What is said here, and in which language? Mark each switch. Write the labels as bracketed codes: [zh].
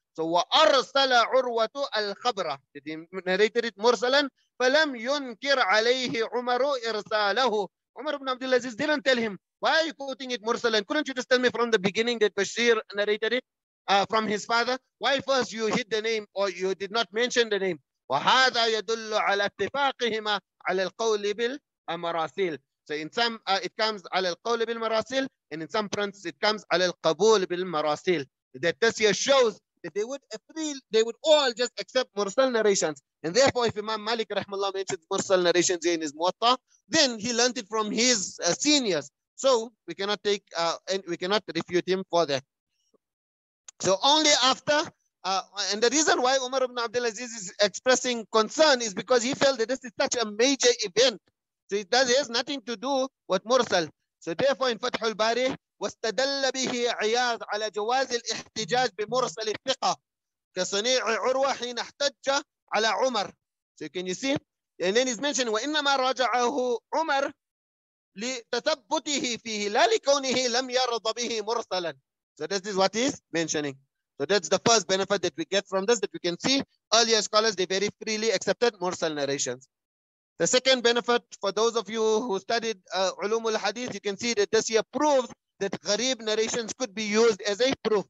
[ar] So wa arsala urwatu al khabra, [en] he narrated it mursalan, [ar] falam yunkir alayhi umaru irsalahu. [en] Umar ibn Abdul Aziz didn't tell him, why are you quoting it mursalan? Couldn't you just tell me from the beginning that Bashir narrated it from his father? Why first you hid the name or you did not mention the name? [ar] وهذا يدل على اتفاقهما على القول بالمراسيل. [en] So in some it comes [ar] على القول بالمراسيل, [en] and in some fronts it comes [ar] على القبول بالمراسيل. [en] That this here shows that they would all just accept Mursal narrations. And therefore, if Imam Malik rahimahullah mentioned Mursal narrations in his Muwaṭṭa, then he learned it from his seniors. So we cannot take and we cannot refute him for that. So only after. And the reason why Umar ibn Abdul Aziz is expressing concern is because he felt that this is such a major event. So it has nothing to do with Mursal. So therefore in Fath al-Bari, [ar] وَاسْتَدَلَّ بِهِ عِيَاذْ عَلَى جَوَازِ الْإِحْتِجَاجِ بِمُرْسَلِ الثِّقَةِ كَصَنِيعِ عُرْوَةِ حِينَ احْتَجَّ عَلَىٰ عُمَرْ. [en] So can you see? And then he's mentioning, [ar] وَإِنَّمَا رَاجَعَهُ عُمَرْ لِتَثَبُّتِهِ فِيهِ لَا لِكَوْنِهِ لَمْ يَرَضَ بِهِ مُرْسَلًا. [en] So this is what he's mentioning. So that's the first benefit that we get from this, that we can see earlier scholars, they very freely accepted Mursal narrations. The second benefit, for those of you who studied Ulumul Hadith, you can see that this year proves that Gharib narrations could be used as a proof.